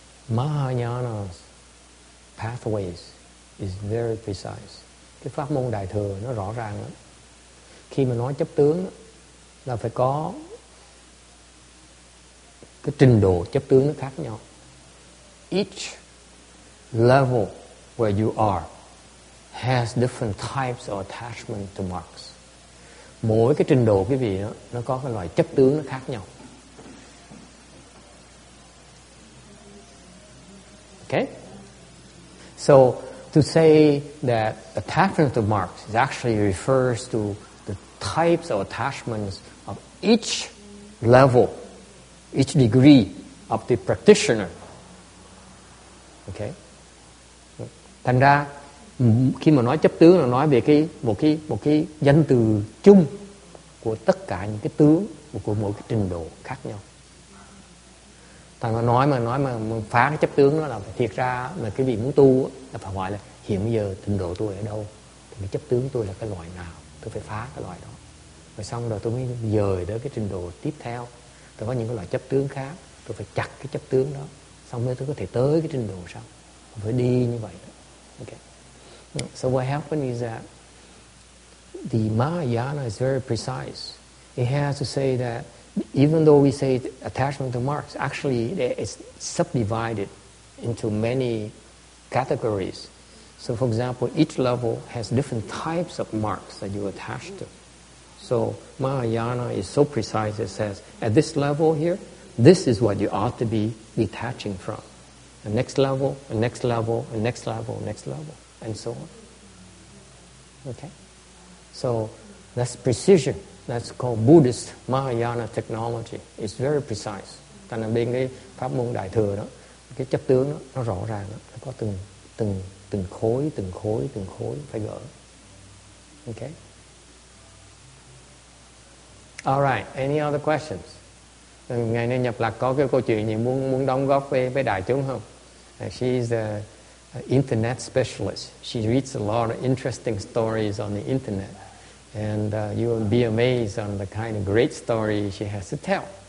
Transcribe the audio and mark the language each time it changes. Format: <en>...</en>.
<en>Mahayana's pathways is very precise.</en> <vi>Cái pháp môn đại thừa nó rõ ràng lắm. Khi mà nói chấp tướng là phải có cái trình độ chấp tướng nó khác nhau.</vi> <en>Each level where you are has different types of attachment to marks.</en> <vi>Mỗi cái trình độ quý vị đó, nó có cái loại chấp tướng nó khác nhau.</vi> <en>Okay? So to say that attachment to marks actually refers to types of attachments of each level, each degree of the practitioner. Okay.</en> <vi>Thành ra khi mà nói chấp tướng là nói về một cái danh từ chung của tất cả những cái tướng của mỗi cái trình độ khác nhau. Thành ra nói mà phá cái chấp tướng đó là thiệt ra là cái vị muốn tu là phải hỏi là hiện giờ trình độ tôi ở đâu, thì cái chấp tướng tôi là cái loại nào, tôi phải phá cái loại đó. Và xong rồi tôi mới dời tới cái trình độ tiếp theo. Tôi có những cái loại chấp tướng khác. Tôi phải chặt cái chấp tướng đó. Xong rồi tôi có thể tới cái trình độ sau. Tôi phải đi như vậy đó. Okay.</vi> <en>So what happened is that the Mahayana is very precise. It has to say that even though we say attachment to marks, actually it's subdivided into many categories. So for example, each level has different types of marks that you attach to. So Mahayana is so precise, it says, at this level here, this is what you ought to be detaching from. the next level, the next level, the next level, the next level, and so on. Okay? So that's precision. That's called Buddhist Mahayana technology. It's very precise.</en> <vi>Tại nên bên cái pháp môn đại thừa đó, cái chấp tướng đó, nó rõ ràng đó, nó có từng từng từng khối, từng khối, từng khối phải gỡ. Okay.</vi> <en>All right. Any other questions?</en> <vi>Ngày nay nhập lạc có cái câu chuyện gì muốn đóng góp với đại chúng không?</vi> <en>She's an internet specialist. She reads a lot of interesting stories on the internet. And you will be amazed on the kind of great story she has to tell.</en>